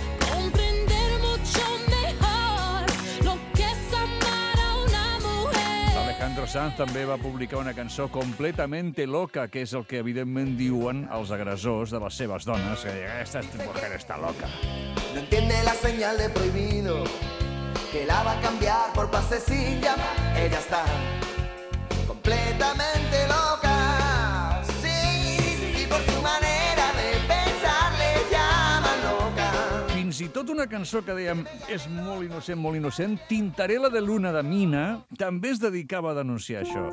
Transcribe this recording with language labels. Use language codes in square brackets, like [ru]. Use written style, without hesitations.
[es] Comprender mucho mejor lo que es amar a una mujer. [ca] Alejandro Sanz també va publicar una cançó [es] completamente loca, [ca] que és el que evidentment diuen els agressors de les seves dones, que diuen, [es] esta mujer está loca. No entiende la señal de prohibido, que la va a cambiar por pase sin llamar. Ella está completamente loca, sí, y por su manera de pensar le llama loca. [ca] Fins i tot una cançó que dèiem és molt innocent, molt innocent, Tintarela de Luna de Mina, també es dedicava a denunciar això.